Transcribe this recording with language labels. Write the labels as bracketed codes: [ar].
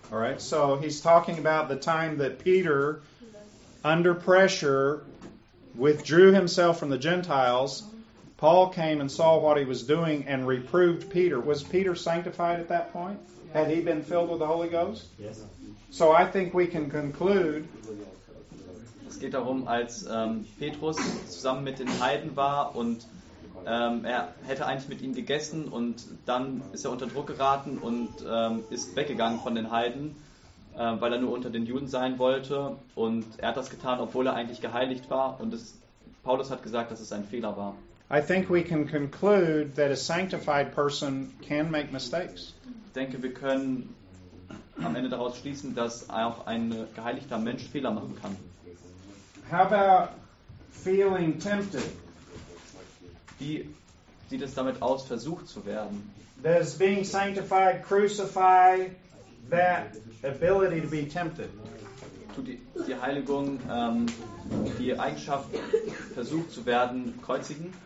[en] All right, so he's talking about the time that Peter, under pressure, withdrew himself from the Gentiles. Paul came and saw what he was doing and reproved Peter. Was Peter sanctified at that point? Yeah. Had he been filled with the Holy Ghost? Yes. So I think we can conclude. [de] Es geht darum, als Petrus zusammen mit den Heiden war und er hätte eigentlich mit ihnen gegessen und dann ist er unter Druck geraten und ist weggegangen von den Heiden, weil er nur unter den Juden sein wollte. Und er hat das getan, obwohl er eigentlich geheiligt war. Und Paulus hat gesagt, dass es ein Fehler war. [en] I think we can conclude that a sanctified person can make mistakes. [de] Ich denke, wir können am Ende daraus schließen, dass auch ein geheiligter Mensch Fehler machen kann. [en] How about feeling tempted? [de] Wie sieht es damit aus, versucht zu werden? [en] Does being sanctified crucify that ability to be tempted? [de] Tut die Heiligung die Eigenschaft, versucht zu werden, kreuzigen?